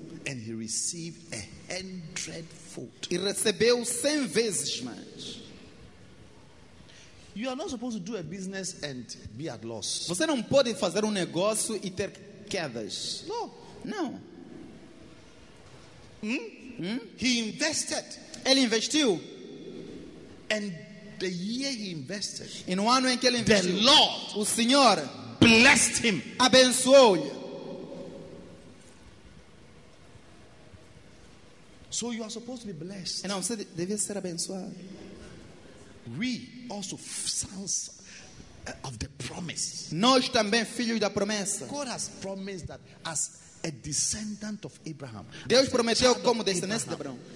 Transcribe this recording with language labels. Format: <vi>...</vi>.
<en>and he received a hundredfold.</en> <pt>E recebeu 100 vezes mais.</pt> <en>You are not supposed to do a business and be at loss.</en> <pt>Você não pode fazer negócio e ter quedas.</pt> <en>No.</en> <pt>Não.</pt> <en>He invested.</en> <pt>Ele investiu.</pt> <en>And the year he invested,</en> <pt>e no ano em que ele investiu,</pt> <en>the Lord,</en> <pt>o Senhor</pt> <en>blessed him.</en> <pt>Abençoou-lhe.</pt> <en>So you are supposed to be blessed.</en> <pt>Não, você deve ser abençoado.</pt> <en>We also sons of the promise.</en> <pt>Nós também filhos da promessa.</pt> <en>God has promised that as a descendant of Abraham.</en> <pt>Deus prometeu como descendente de Abraão.</pt>